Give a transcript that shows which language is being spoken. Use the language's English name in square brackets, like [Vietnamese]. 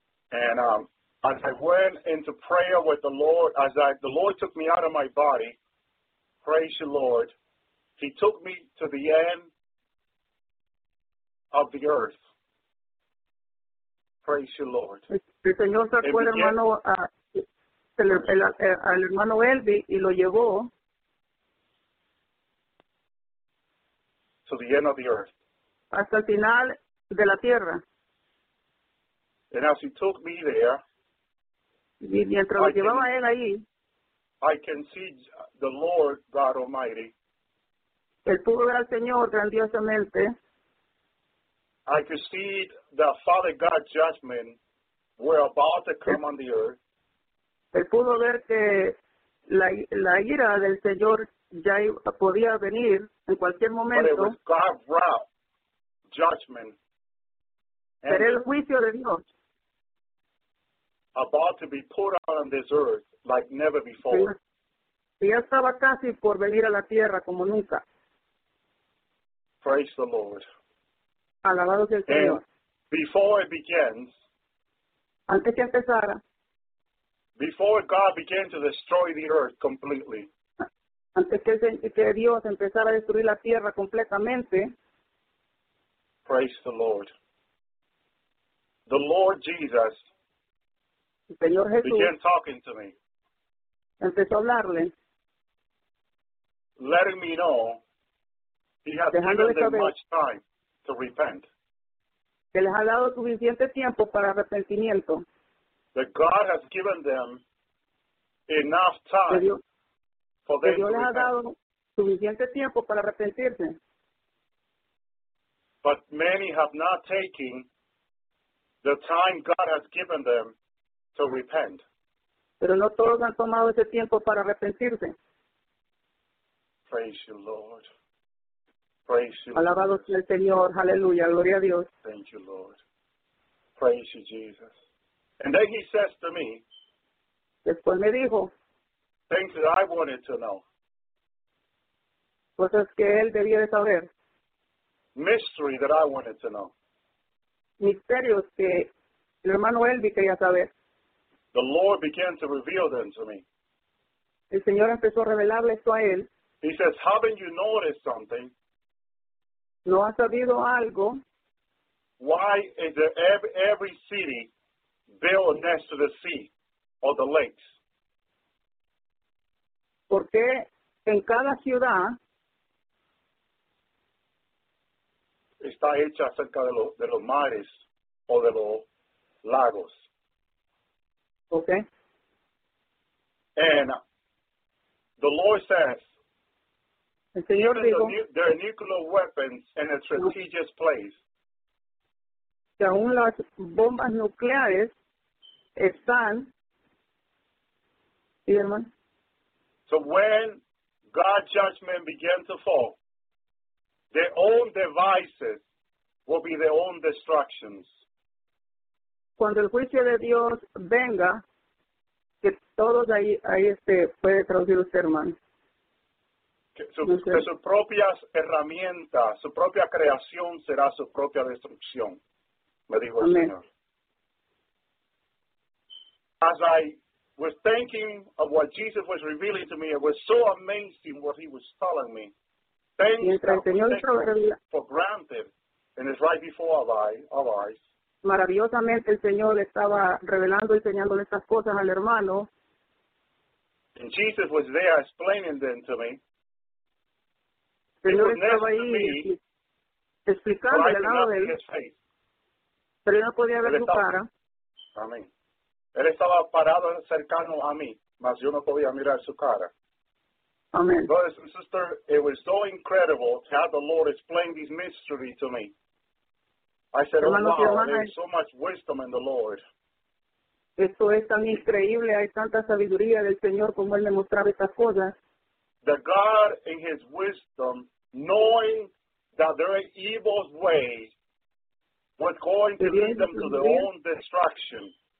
[English] And as I went into prayer with the Lord, as the Lord took me out of my body, praise the Lord, he took me to the end of the earth. Praise you, Lord. [Spanish] El Señor sacó al hermano al hermano Elvi y lo llevó [English] to the end of the earth. [Spanish] Hasta el final de la tierra. [English] And as he took me there, [Spanish] y mientras lo llevaba él ahí, [English] I can see the Lord God Almighty. [Spanish] Él pudo ver al Señor grandiosamente. [English] I could see the Father God judgment were about to come on the earth. [Spanish] Él pudo ver que la ira del Señor ya podía venir en cualquier momento. [English] But it was God's judgment. [Spanish] Pero el juicio de Dios. [English] About to be put on this earth like never before. [Spanish] Ya estaba casi por venir a la tierra como nunca. [English] Praise the Lord. [Spanish] Alabado sea el Señor. [English] Before it begins, [Spanish] antes que empezara, [English] before God began to destroy the earth completely, [Spanish] antes que Dios empezara a destruir la tierra completamente, [English] praise the Lord. The Lord Jesus, [Spanish] el Señor Jesús, [English] began talking to me. [Spanish] Empezó a hablarle, [English] letting me know he had given them much time to repent. [Spanish] Que les ha dado suficiente tiempo para arrepentimiento. [English] That God has given them enough time for them to repent. [Spanish] Ha dado suficiente tiempo para arrepentirse. [English] But many have not taken the time God has given them to repent. [Spanish] Pero no todos han tomado ese tiempo para arrepentirse. [English] Praise you, Lord. Praise you, [Spanish] Alabado [English] Lord. [Spanish] Sea el Señor. Aleluya. Gloria a Dios. [English] Thank you, Lord. Praise you, Jesus. And then he says to me, [Spanish] Después me dijo, [English] things that I wanted to know. [Spanish] Cosas que él debía de saber. [English] Mystery that I wanted to know. [Spanish] Misterios que el hermano Elvi quería saber. [English] The Lord began to reveal them to me. [Spanish] El Señor empezó a revelarle esto a él. [English] He says, haven't you noticed something? [Spanish] ¿No has sabido algo? [English] Why is there every city built next to the sea or the lakes? [Spanish] Porque en cada ciudad está hecha cerca de los mares o de los lagos. [English] Okay. And the Lord says, [Spanish] el Señor [English] even [Spanish] dijo, [English] there are nuclear weapons in a strategic place. [Spanish] Que aún las bombas nucleares están. ¿Sí, hermano? [English] So when God's judgment began to fall, their own devices will be their own destructions. [Spanish] Cuando el juicio de Dios venga, que todos ahí este puede traducir usted, hermano. Que su propia herramienta, su propia creación será su propia destrucción, me dijo el Señor. [English] As I was thinking of what Jesus was revealing to me, it was so amazing what he was telling me. Things [Spanish] mientras [English] that [Spanish] el Señor [English] we take for granted, and it's right before our eyes. [Spanish] Maravillosamente el Señor estaba revelando y enseñándole estas cosas al hermano. [English] And Jesus was there explaining them to me. [Spanish] El Señor estaba ahí explicándole al lado de él. Pero él no podía ver su cara. Amén. Él estaba parado cercano a mí, mas yo no podía mirar su cara. [English] Amen. Brothers and sisters, it was so incredible to have the Lord explain this mystery to me. I said, [Spanish] hermanos, [English] oh, wow, there is so much wisdom in the Lord. [Spanish] Esto es tan increíble. Hay tanta sabiduría del Señor como Él me mostraba estas cosas. [English] The God in His wisdom, knowing that there are evil ways, was going to lead them to their own destruction.